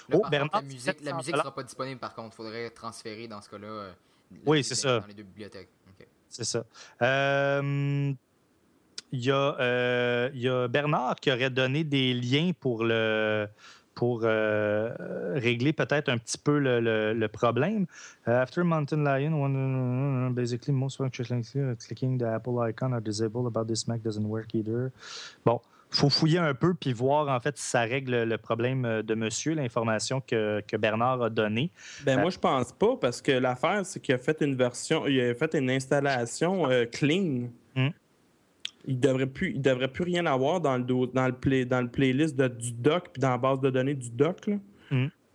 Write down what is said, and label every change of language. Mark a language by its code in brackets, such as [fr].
[fr] La musique ne sera pas disponible, par contre. Il faudrait transférer dans ce cas-là oui, c'est ça. Dans les deux bibliothèques. C'est ça. Il y a Bernard qui aurait donné des liens pour régler peut-être un petit peu le problème. [en] After Mountain Lion, basically most functions clicking the Apple icon are disabled about this Mac doesn't work either. [fr] Bon, faut fouiller un peu puis voir en fait si ça règle le problème de monsieur, l'information que Bernard a donnée. Ben moi je pense pas parce que l'affaire c'est qu'il a fait une version, il a fait une installation clean. Mm. Il devrait plus rien avoir dans le playlist du doc puis dans la base de données du doc. Là. Mm.